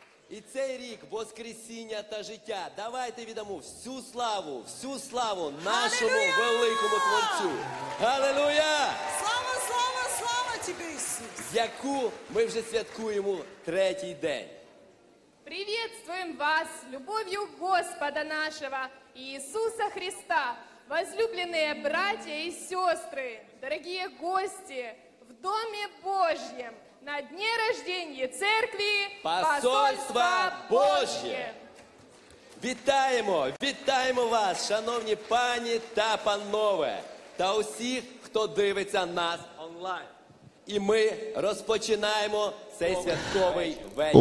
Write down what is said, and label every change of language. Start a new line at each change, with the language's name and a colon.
Ukrainian: І цей рік воскресіння та життя. Давайте віддамо всю славу нашому великому Творцю. Галилуя! Слава, слава, слава тобі, Ісус! Яку ми вже святкуємо третій день. Привітствуємо вас любов'ю Господа нашого Ісуса Христа.
Russian: Возлюбленные братья и сестры, дорогие гости, в Доме Божьем, на дне рождения Церкви Посольства Божьего.
Ukrainian: Вітаємо вас, шановні пані та панове, та усіх, хто дивиться нас онлайн. І ми розпочинаємо цей святковий вечір.